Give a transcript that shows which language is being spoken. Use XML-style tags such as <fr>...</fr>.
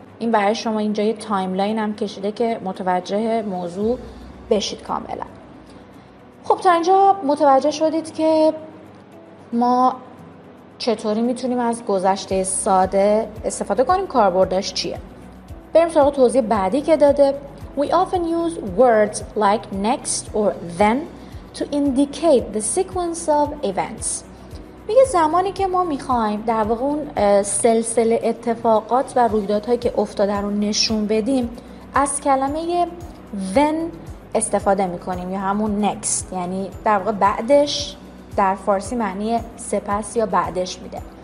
<fa>این برای شما اینجا یه تایملاین هم کشیده که متوجه موضوع بشید کاملا. خب تا اینجا متوجه شدید که ما چطوری میتونیم از گذشته ساده استفاده کنیم، کاربردش چیه. بریم سراغ توضیح بعدی که داده.</fa> <en>We often use words like next or then to indicate the sequence of events.</en> <fa>میگه زمانی که ما میخوایم در واقع اون سلسله اتفاقات و رویدادهایی که افتاده رو نشون بدیم، از کلمه when استفاده میکنیم یا همون next، یعنی در واقع بعدش در فارسی معنی سپس یا بعدش میده.</fa>